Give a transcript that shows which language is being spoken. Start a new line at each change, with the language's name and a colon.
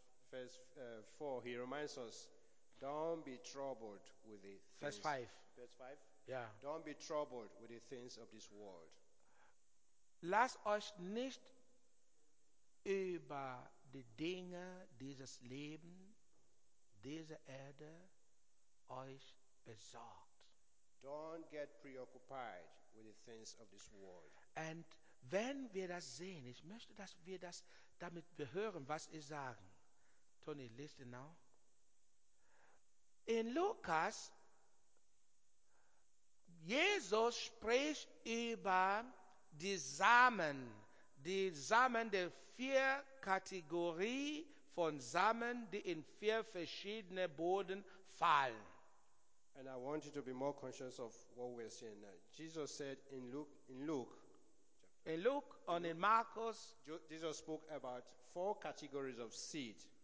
English: Verse 4, he reminds us, don't be troubled with the things. Verse 5? Yeah. Don't be troubled with the things of this world.
German: Lasst euch nicht über die Dinge dieses Lebens, dieser Erde, euch besorgt.
English: Don't get preoccupied with the things of this world.
German: And wenn wir das sehen, ich möchte, dass wir das damit behören, was ich sage. Tony,
English: listen now.
German: In Lukas, Jesus spricht über die Samen, die vier Kategorien von Samen, die in vier verschiedene Boden fallen.
English: And I want you to be more conscious of what we're saying. Jesus said in Luke, Jesus spoke about four categories of seed.